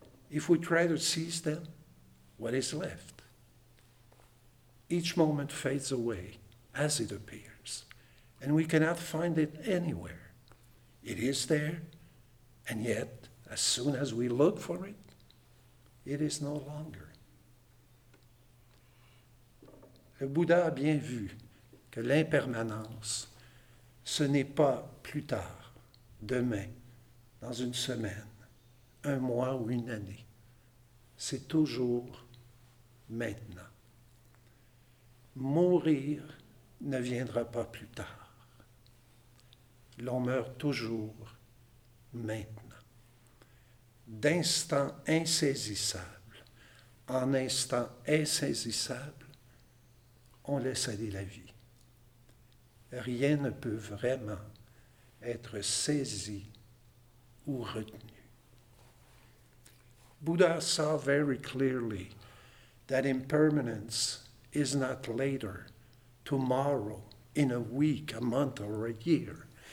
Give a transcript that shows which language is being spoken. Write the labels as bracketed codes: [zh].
[en] If we try to seize them, what is left? Each moment fades away as it appears, and we cannot find it anywhere. It is there, and yet, as soon as we look for it, it is no longer. [fr] Le Bouddha a bien vu que l'impermanence, ce n'est pas plus tard, demain, dans une semaine, un mois ou une année. C'est toujours maintenant. Mourir ne viendra pas plus tard. L'on meurt toujours maintenant. D'instant insaisissable en instant insaisissable, on laisse aller la vie. Rien ne peut vraiment être saisi ou retenu. [en] Buddha saw very clearly that impermanence is not later, tomorrow, in a week, a month, or a year.